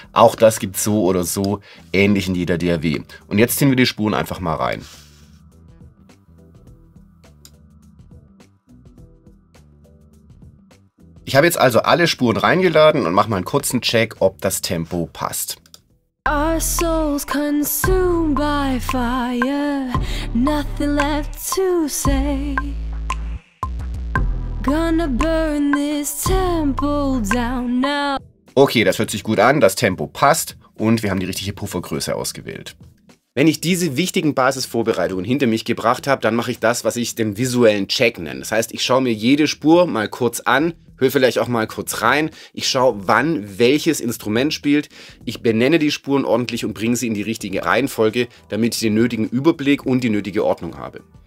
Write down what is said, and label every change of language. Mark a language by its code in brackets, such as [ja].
[de] Auch das gibt es so oder so ähnlich in jeder DAW. Und jetzt ziehen wir die Spuren einfach mal rein. Ich habe jetzt also alle Spuren reingeladen und mache mal einen kurzen Check, ob das Tempo passt. [en] Our souls consumed by fire, nothing left to say. Gonna burn this temple down now. [de] Okay, das hört sich gut an, das Tempo passt und wir haben die richtige Puffergröße ausgewählt. Wenn ich diese wichtigen Basisvorbereitungen hinter mich gebracht habe, dann mache ich das, was ich den visuellen Check nenne. Das heißt, ich schaue mir jede Spur mal kurz an, höre vielleicht auch mal kurz rein. Ich schaue, wann welches Instrument spielt. Ich benenne die Spuren ordentlich und bringe sie in die richtige Reihenfolge, damit ich den nötigen Überblick und die nötige Ordnung habe.